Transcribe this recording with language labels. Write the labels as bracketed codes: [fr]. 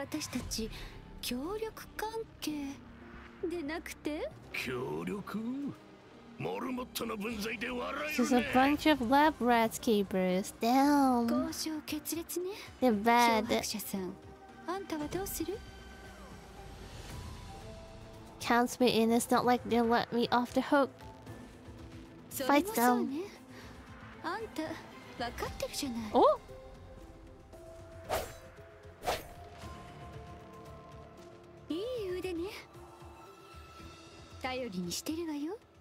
[ja] 私たち協力関係でなくて。協力？モルモットの分際で笑いね。 [en] She's a bunch of lab rats keepers. Damn. [ja] 交渉決裂ね。 [en] They're bad. [ja] 脅迫者さん、あんたはどうする？ [en] Count me in. It's not like they'll let me off the hook. Fight them. [ja] それもそうね。あんた、分かってるじゃない。お？いい腕ね。頼りにしてるわよ。